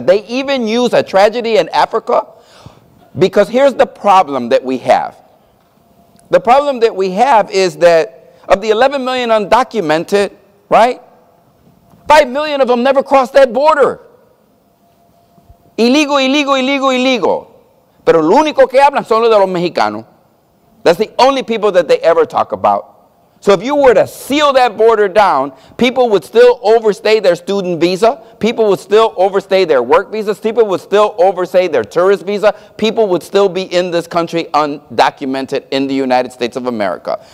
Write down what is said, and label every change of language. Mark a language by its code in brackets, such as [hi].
[en] They even use a tragedy in Africa because here's the problem that we have. The problem that we have is that of the 11 million undocumented, right, 5 million of them never crossed that border. Illegal, illegal, illegal, illegal. [es] Pero lo único que hablan son los de los mexicanos. [en] That's the only people that they ever talk about. So if you were to seal that border down, people would still overstay their student visa. People would still overstay their work visas. People would still overstay their tourist visa. People would still be in this country undocumented in the United States of America.